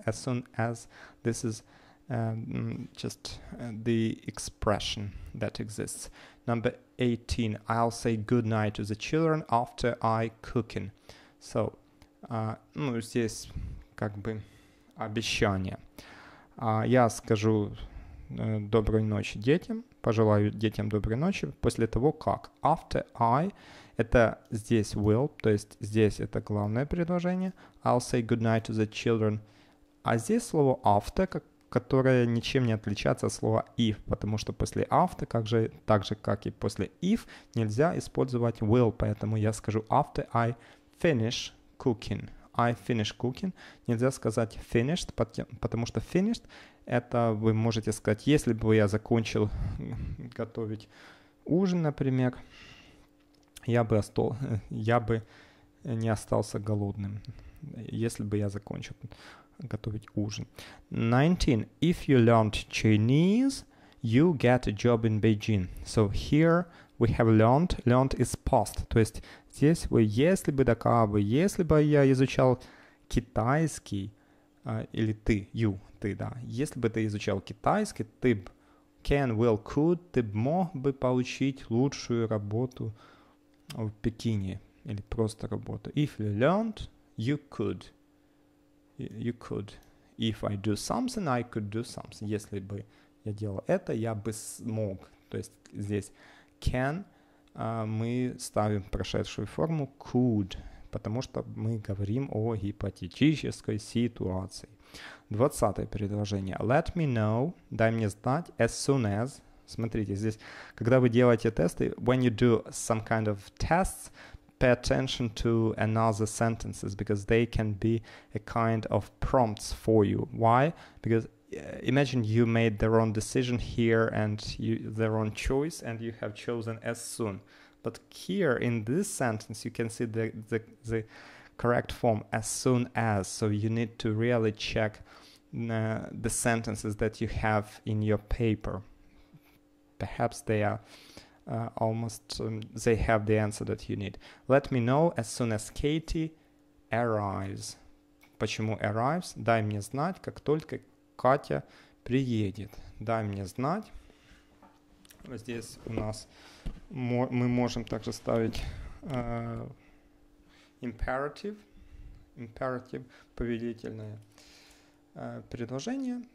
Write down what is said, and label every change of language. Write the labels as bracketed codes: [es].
[en] As soon as, this is just the expression that exists. Number 18, I'll say goodnight to the children after I cooking. [ru] So, ну, здесь как бы обещание. Я скажу доброй ночи детям, пожелаю детям доброй ночи после того, как. After I, это здесь will, то есть здесь это главное предложение. [en] I'll say goodnight to the children. [ru] А здесь слово after, как которое ничем не отличается от слова if, потому что после after, так же, как и после if, нельзя использовать will, поэтому я скажу [en] after I finish cooking. I finish cooking. [ru] Нельзя сказать finished, потому что finished – это вы можете сказать, если бы я закончил готовить ужин, например, я бы не остался голодным, если бы я закончил готовить ужин. 19. [en] If you learned Chinese, you get a job in Beijing. So here we have learned. Learned is past. [ru] То есть здесь вы, если бы, если бы я изучал китайский, или ты, you, ты, да. Если бы ты изучал китайский, ты б, can, will, could, ты б мог бы получить лучшую работу в Пекине. Или просто работу. [en] If you learned, you could. You could. If I do something, I could do something. [ru] Если бы я делал это, я бы смог. То есть здесь can, мы ставим прошедшую форму could, потому что мы говорим о гипотетической ситуации. 20-е предложение. [en] Let me know, [ru] дай мне знать, [en] as soon as. [ru] Смотрите, здесь, когда вы делаете тесты, [en] when you do some kind of tests, pay attention to another sentences because they can be a kind of prompts for you. Why? Because imagine you made the wrong decision here and the wrong choice and you have chosen as soon. But here in this sentence you can see the correct form as soon as. So you need to really check the sentences that you have in your paper. Perhaps they are they have the answer that you need. Let me know as soon as Katie arrives. [ru] Почему arrives? Дай мне знать, как только Катя приедет. Дай мне знать. Здесь у нас мы можем также ставить imperative. Imperative – повелительное предложение.